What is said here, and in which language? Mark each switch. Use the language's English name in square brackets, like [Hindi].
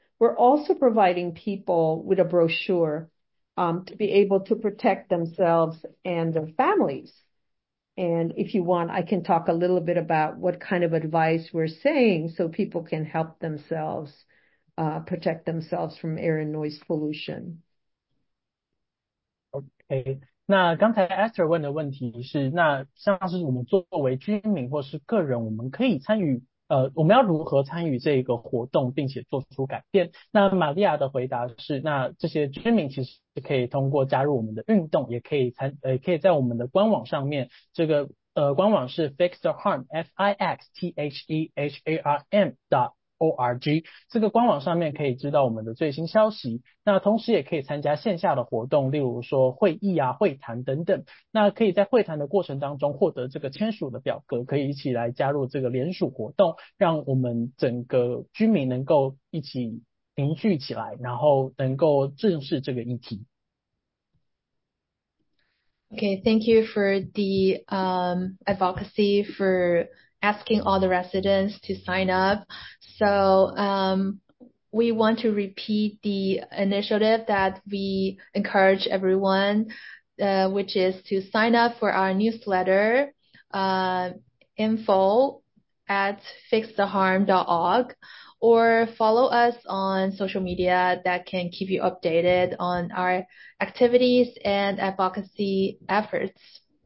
[English] We're also providing people with a brochure to be able to protect themselves and their families. And if you want, I can talk a little bit about what kind of advice we're saying so people can help themselves, protect themselves from air and noise pollution. Okay. [Chinese] 那刚才 Esther 问的问题是，那像是我们作为居民或是个人，我们可以参与，我们要如何参与这个活动并且做出改变？那玛利亚的回答是，那这些居民其实是可以通过加入我们的运动，也可以参，可以在我们的官网上面，这个官网是 Fix the Harm, FIXTHEHARM.org， 这个官网上面可以知道我们的最新消息。那同时也可以参加线下的活动，例如说会议啊、会谈等等。那可以在会谈的过程当中获得这个签署的表格，可以一起来加入这个联署活动，让我们整个居民能够一起凝聚起来，然后能够正视这个议题。 [English] Okay, thank you for the advocacy for asking all the residents to sign up. So we want to repeat the initiative that we encourage everyone, which is to sign up for our newsletter, info@fixtheharm.org, or follow us on social media that can keep you updated on our activities and advocacy efforts.